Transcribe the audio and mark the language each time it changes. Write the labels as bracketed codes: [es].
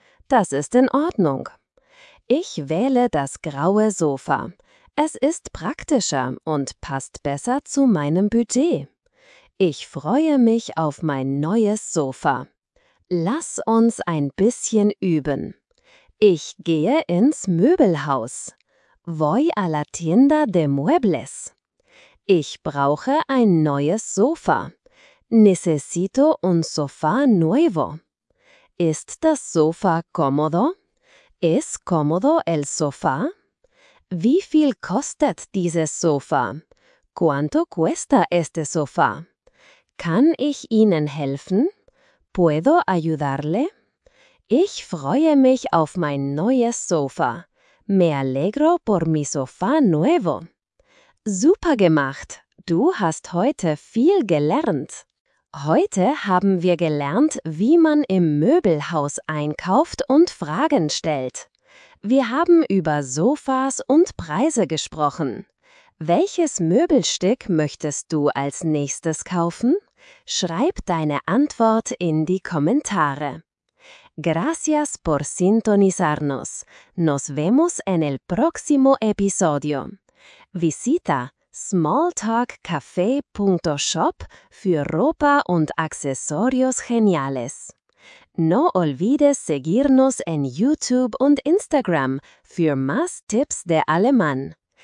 [de] Das ist in Ordnung. Ich wähle das graue Sofa. Es ist praktischer und passt besser zu meinem Budget. Ich freue mich auf mein neues Sofa. Lass uns ein bisschen üben. Ich gehe ins Möbelhaus. [es] Voy a la tienda de muebles. [de] Ich brauche ein neues Sofa. [es] Necesito un sofá nuevo. [de] Ist das [es] Sofa cómodo? ¿Es cómodo el sofá? [de] Wie viel kostet dieses Sofa? [es] ¿Cuánto cuesta este sofá? [de] ¿Kann ich Ihnen helfen? [es] ¿Puedo ayudarle? [de] Ich freue mich auf mein neues Sofa. [es] Me alegro por mi sofá nuevo. [de] Super gemacht! Du hast heute viel gelernt. Heute haben wir gelernt, wie man im Möbelhaus einkauft und Fragen stellt. Wir haben über Sofas und Preise gesprochen. Welches Möbelstück möchtest du als nächstes kaufen? Schreib deine Antwort in die Kommentare. [es] Gracias por sintonizarnos. Nos vemos en el próximo episodio. Visita smalltalkcafe.shop [de] für [es] ropa [de] und [es] accesorios geniales. No olvides seguirnos en YouTube [de] und [es] Instagram [de] für [es] más tips de alemán.